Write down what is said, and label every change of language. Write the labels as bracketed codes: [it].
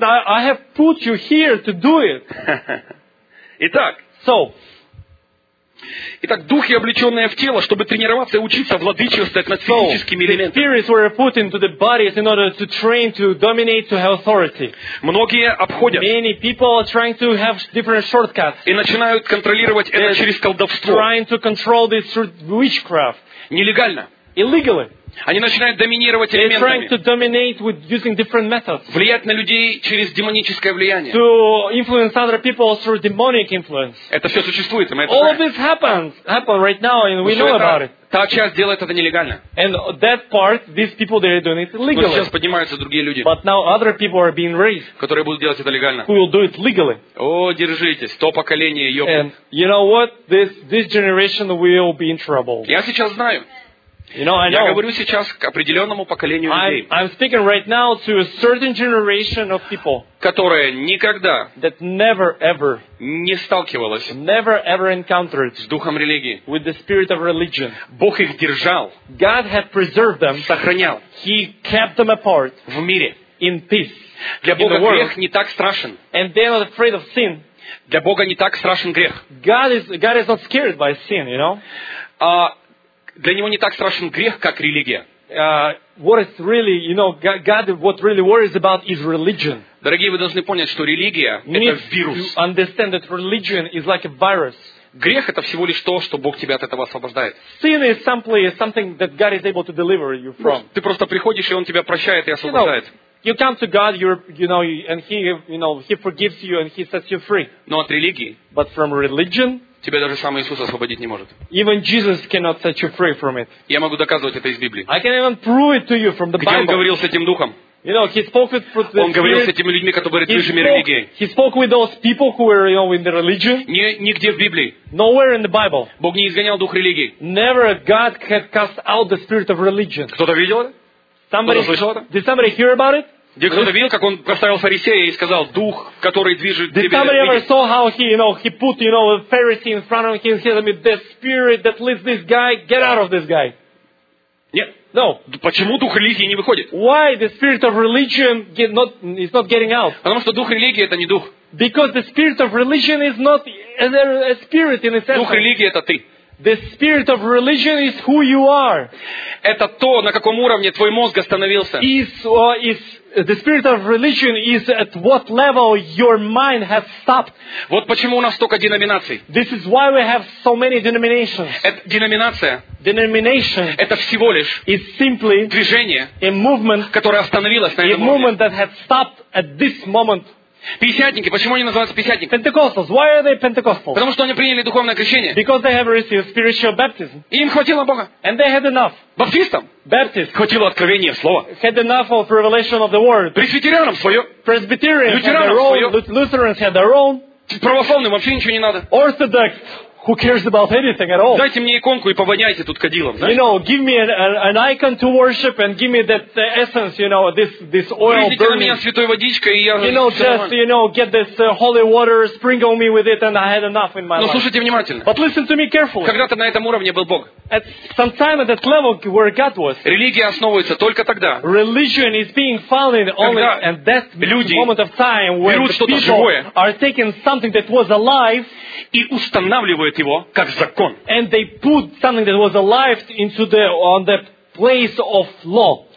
[en] He said, I have put you here to do it. [ru] Итак. [en] So. [ru] Итак, духи, облеченные в тело, чтобы тренироваться и учиться владычествовать над физическими элементами. [en] So, the spirits were put into the bodies in order to train, to dominate, to have authority. [ru] Многие обходят. [en] Many people are trying to have different shortcuts. [ru] И начинают контролировать это через колдовство. [en] Trying to control this through witchcraft. [ru] Нелегально. [en] Illegally. [ru] Они начинают доминировать элементами. [en] They're trying to dominate with using different methods. [ru] Влиять на людей через демоническое влияние. [en] To influence other people through demonic influence. [ru] Это все существует, мы это [en] All of this happens right now, and we know about it. [ru] Та часть делает это нелегально. [en] And that part, these people, they're doing it illegally. [ru] Но сейчас поднимаются другие люди. [en] But now other people are being raised. [ru] Которые будут делать это легально. [en] Who will do it legally. [ru] О, держитесь, то поколение ее. [en] And you know what? This generation will be in trouble. [ru] Я сейчас знаю. [en] You know, [ru] я говорю сейчас к определенному поколению людей. [en] I'm speaking right now to a certain generation of people, [ru] которая никогда [en] that never, ever, [ru] не сталкивалась [en] never, ever encountered [ru] с духом религии. [en] With the spirit of religion. [ru] Бог их держал, [en] God had preserved them, [ru] сохранял, [en] He kept them apart [ru] в мире, [en] in peace. [ru] Для Бога грех не так страшен. [en] And they're not afraid of sin. [ru] Для Бога не так страшен грех. [en] God is not scared by sin, you know? [ru] Для него не так страшен грех, как религия. [en] What is really, you know, God, what really worries about is religion. [ru] Дорогие, вы должны понять, что религия [en] you [ru] это вирус. [en] You understand that religion is like a virus. [ru] Грех это всего лишь то, что Бог тебя от этого освобождает. [en] Sin is simply something that God is able to deliver you from. [ru] Ты просто приходишь, и Он тебя прощает и освобождает. [en] You come to God, He forgives you and He sets you free. [ru] Но от религии. [en] But from religion. [ru] Тебя даже сам Иисус освободить не может. [en] Even Jesus cannot set you free from it. [ru] Я могу доказывать это из Библии. [en] I can even prove it to you from the Bible. [ru] Где он говорил с этим духом? [en] You know, he spoke with the spirit. [ru] Он говорил с этими людьми, которые в той же религии. [en] He spoke with those people who were, you know, in the religion. [ru] Нигде в Библии. [en] Nowhere in the Bible. [ru] Бог не изгонял дух религии. [en] Never God had cast out the spirit of religion. [ru] Кто-то видел это? [en] Somebody [ru] слышал это? [en] Did somebody hear about it? [ru] Где кто-то видел, как он поставил фарисея и сказал, дух, который движет тебя. [en] Did somebody ever saw how he, you know, he put, you know, a Pharisee in front of him and said, the spirit that leads this guy, get out of this guy. [ru] Нет. [en] No. [ru] Почему дух религии не выходит? [en] Why the spirit of religion is not getting out? [ru] Потому что дух религии это не дух. [en] Because the spirit of religion is not a spirit in itself. [ru] Дух религии это ты. [en] The spirit of religion is who you are. [ru] Это то, на каком уровне твой мозг остановился. [en] The spirit of religion is at what level your mind has stopped. [ru] Вот почему у нас столько деноминаций. [en] This is why we have so many denominations. [ru] Это деноминация. [en] Denomination. [ru] Это всего лишь. [en] Is simply. [ru] Движение. [en] A movement. [ru] Которое остановилось на этом уровне. [en] A movement that had stopped at this moment. [ru] Пятидесятники, почему они называются пятидесятниками? [en] Pentecostals. Why are they Pentecostals? [ru] Потому что они приняли духовное крещение. [en] Because they have received spiritual baptism. [ru] И им хватило Бога. [en] And they had enough. [ru] Баптистам. [en] Baptists. [ru] Хватило откровения слова. [en] Had enough of revelation of the word. [ru] Пресвитерианам свое. [en] Presbyterians. [ru] Лютеранам свое. [en] Lutherans had their own. [ru] Православным вообще ничего не надо. [en] Orthodox. Who cares about anything at all? [ru] Дайте мне иконку и повоняйте тут кадилом, да? [en] You know, give me an icon to worship and give me that essence, you know, this oil burning. [ru] Вылейте на меня святой водичкой, и я... [en] You know, just, you know, get this holy water, sprinkle me with it, and I had enough in my life. [ru] Но слушайте внимательно. [en] But listen to me carefully. [ru] Когда-то на этом уровне был Бог. [en] At some time at that level where God was. [ru] Религия основывается только тогда. [en] Religion is being founded only at that moment of time when people are taking something that was alive [ru] и устанавливают его как закон. [en] And they put something that was alive into the on the place of law.